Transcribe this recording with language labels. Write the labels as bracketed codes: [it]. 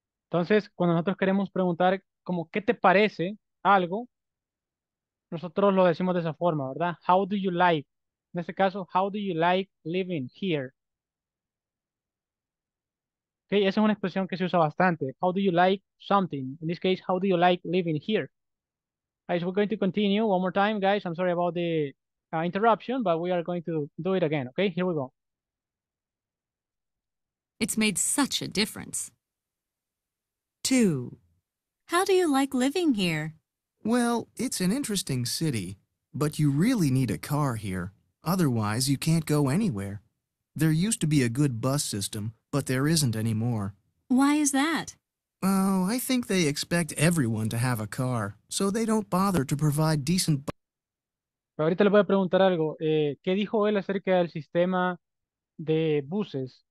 [es] Entonces, cuando nosotros queremos preguntar como, ¿qué te parece algo? Nosotros lo decimos de esa forma, ¿verdad? [en] How do you like? [es] En este caso, [en] how do you like living here? [es] Okay, esa es una expresión que se usa bastante. [en] How do you like something? In this case, how do you like living here? Guys, we're going to continue one more time, guys. I'm sorry about the interruption, but we are going to do it again, okay? Here we go. It's made such a difference. 2. How do you like living here? Well, it's an interesting city, but you really need a car here. Otherwise, you can't go anywhere. There used to be a good bus system, but there isn't anymore. Why is that? Oh, I think they expect everyone to have a car, so they don't bother to provide decent... [es] Pero ahorita le voy a preguntar algo. ¿Qué dijo él acerca del sistema de buses?